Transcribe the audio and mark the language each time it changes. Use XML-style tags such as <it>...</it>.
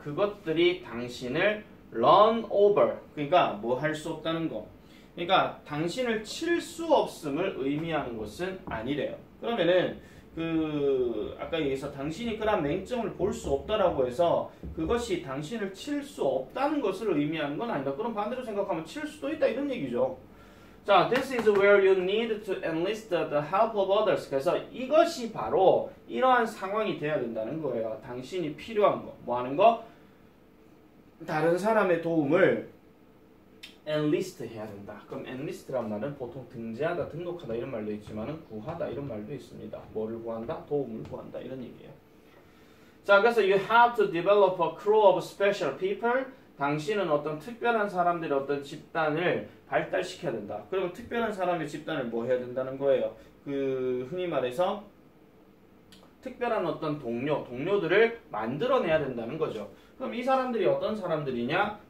<ko>그것들이 당신을</ko> <en>run over,</en> <ko>그러니까 뭐 할 수 없다는 거, 그러니까 당신을 칠 수 없음을 의미하는 것은 아니래요. 그러면은 그 아까 얘기해서 당신이 그런 맹점을 볼 수 없다라고 해서 그것이 당신을 칠 수 없다는 것을 의미하는 건 아니다. 그럼 반대로 생각하면 칠 수도 있다, 이런 얘기죠. 자,</ko> <en>this is where you need to enlist the help of others.</en> <ko>그래서 이것이 바로 이러한 상황이 되어야 된다는 거예요. 당신이 필요한 거, 뭐 하는 거? 다른 사람의 도움을 enlist 해야 된다. 그럼 enlist란 말은 보통 등재하다, 등록하다 이런 말도 있지만 구하다 이런 말도 있습니다. 뭐를 구한다? 도움을 구한다 이런 얘기예요. 자, 그래서</ko> <en>you have to develop a crew of special people.</en> <ko>당신은 어떤 특별한 사람들의 어떤 집단을 발달시켜야 된다. 그러면 특별한 사람의 집단을 뭐 해야 된다는 거예요? 그 흔히 말해서 특별한 어떤 동료들을 만들어내야 된다는 거죠. 그럼 이 사람들이 어떤 사람들이냐?</ko>